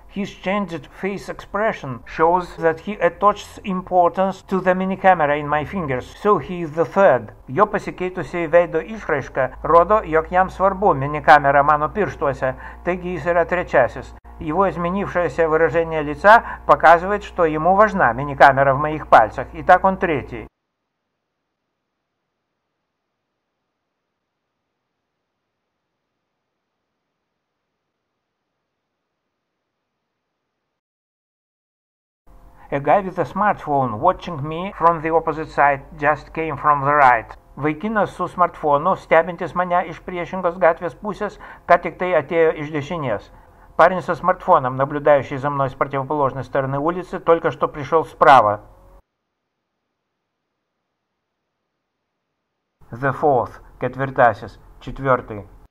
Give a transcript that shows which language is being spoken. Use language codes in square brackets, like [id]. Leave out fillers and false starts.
[en] His changed face expression shows that he attaches importance to the mini camera in my fingers, so he is the third. [lt] Jo pasikeitusiai veido išraiška rodo, jog jam svarbu mini камера mano pirštuose, taigi jis yra trečiasis. [ru] Его изменившееся выражение лица показывает, что ему важна мини камера в моих пальцах, и так он третий. [en] A guy with a smartphone watching me from the opposite side just came from the right. [lt] Vaikinas su smartfonu, stebintis mane iš priešingos gatvės pusės, ką tik tai atėjo iš dešinės. [ru] Парень со смартфоном, наблюдающий за мной с противоположной стороны улицы, только что пришел справа. [en] The fourth, [lt] ketvirtasis, [ru] четвертый.